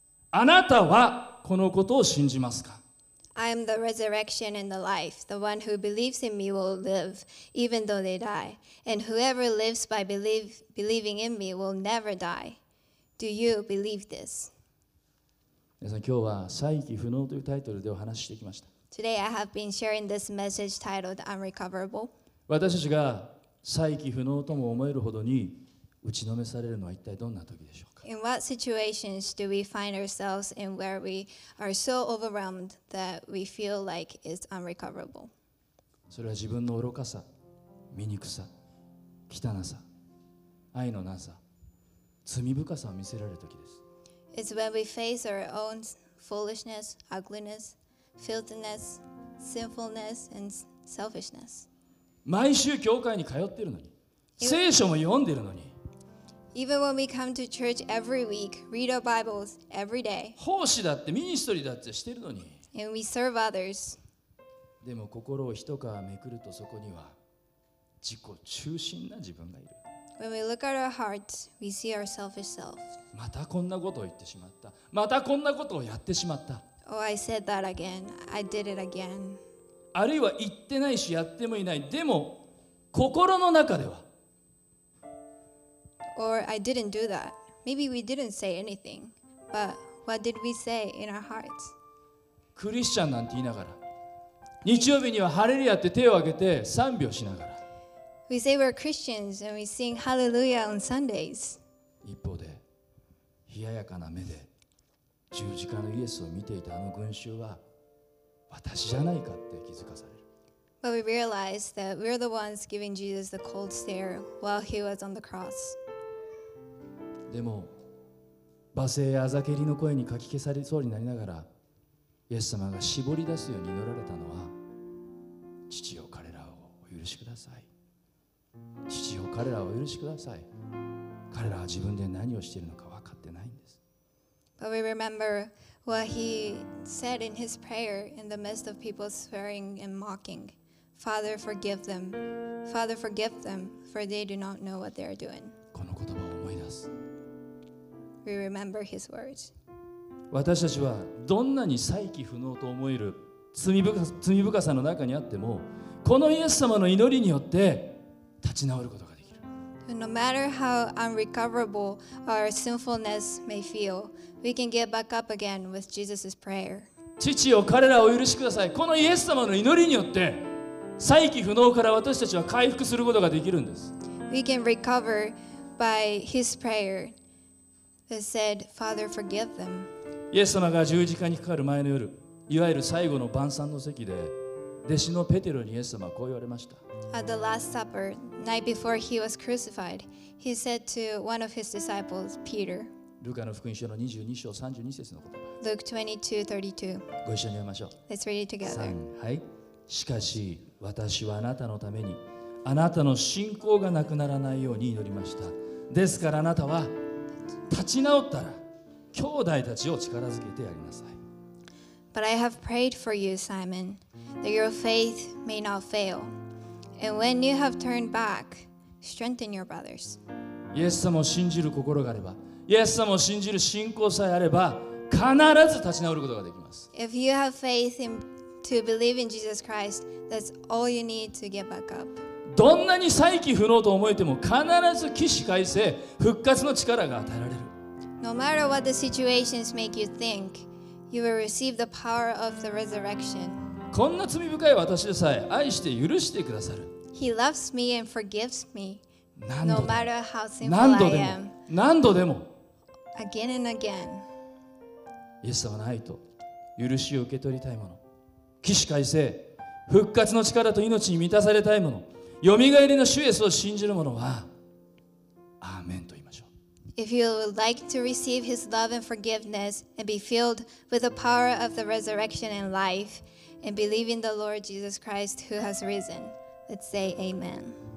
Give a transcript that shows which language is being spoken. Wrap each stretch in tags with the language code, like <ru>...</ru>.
<ja>あなたはこのことを信じますか?</ja> <en>I am the resurrection and the life. The one who believes in me will live, even though they die. And whoever lives by believing in me will never die. Do you believe this?</en> <ja>皆さん、今日は再起不能というタイトルでお話ししてきました。</ja> <en>Today I have been sharing this message titled Unrecoverable.</en> <ja>私たちが再起不能とも思えるほどに打ちのめされるのは一体どんな時でしょうか。</ja> <en>In what situations do we find ourselves in where we are so overwhelmed that we feel like it's unrecoverable?</en> <ja>それは自分の愚かさ、醜さ、汚さ、愛のなさ、罪深さを見せられる時です。</ja> <en>It's when we face our own foolishness, ugliness, filthiness, sinfulness, and selfishness.</en> <ja>毎週教会に通ってるのに、聖書も読んでるのに。</ja> <en>Even when we come to church every week, read our Bibles every day.</en> <ja>奉仕だって、ミニストリーだってしてるのに。</ja> <en>And we serve others.</en> <ja>でも心を一皮めくるとそこには自己中心な自分がいる。</ja> <en>When we look at our hearts, we see our selfish self.</en> <ja>またこんなことを言ってしまった。またこんなことをやってしまった。</ja> <en>Oh, I said that again. I did it again.</en> <ja>あるいは言ってないし、やってもいない。でも、心の中では。</ja> <en>Or I didn't do that. Maybe we didn't say anything. But what did we say in our hearts?</en> <ja>クリスチャンなんて言いながら。日曜日にはハレルヤって手を挙げて賛美をしながら。</ja> <en>We say we're Christians and we sing Hallelujah on Sundays.</en> <ja>一方で、冷ややかな目で十字架のイエスを見ていたあの群衆は私じゃないかって気づかされる。</ja> <en>But we realize that we're the ones giving Jesus the cold stare while he was on the cross.</en> <ja>でも、罵声やあざけりの声にかき消されそうになりながら、イエス様が絞り出すように祈られたのは、父よ彼らをお許しください。父よ彼らをお許しください。彼らは自分で何をしているのか分かってないんです。</ja> <en>But we remember what he said in his prayer in the midst of people swearing and mocking. Father, forgive them. Father, forgive them, for they do not know what they are doing.</en> <ja>この言葉を思い出す。</ja> <en>We remember his words.</en> <ja>私たちはどんなに再起不能と思える罪深さの中にあっても、このイエス様の祈りによって、立ち直ることができる。</ja> <en>No matter how unrecoverable our sinfulness may feel, we can get back up again with Jesus' prayer.</en> <ja>父よ彼らを許しください。このイエス様の祈りによって、再起不能から私たちは回復することができるんです。</ja> <en>We can recover by his prayer that said, Father, forgive them.</en> <ja>イエス様が十字架にかかる前の夜、いわゆる最後の晩餐の席で、弟子のペテロにイエス様はこう言われました。</ja> <en>At the Last Supper, night before he was crucified, he said to one of his disciples, Peter, Luke 22:32. Let's read it together. 3.</en> <ja>はい。しかし、私はあなたのために、あなたの信仰がなくならないように祈りました。ですからあなたは、立ち直ったら、兄弟たちを力づけてやりなさい。</ja> <en>But I have prayed for you, Simon, that your faith may not fail. And when you have turned back, strengthen your brothers.</en> <ja>イエス様を信じる心があれば、イエス様を信じる信仰さえあれば、必ず立ち直ることができます。</ja> <en>If you have faith in, to believe in Jesus Christ, that's all you need to get back up.</en> <ja>どんなに再起不能と思えても、必ず起死回生、復活の力が与えられる。</ja> <en>No matter what the situations make you think,You will receive the power of the resurrection.</en> <ja>こんな罪深い私でさえ愛して許してくださる。</ja> <en>He loves me and forgives me.</en> <ja>何度でも、</ja> <en>no matter how sinful I am.</en> <ja>何度でも。</ja> <en>Again and again.</en> <ja>イエス様の愛と許しを受け取りたいもの、起死回生、復活の力と命に満たされたいもの、よみがえりの主イエスを信じるものは、アーメンと。</ja> <en>If you would like to receive his love and forgiveness and be filled with the power of the resurrection and life and believe in the Lord Jesus Christ who has risen, let's say Amen.</en>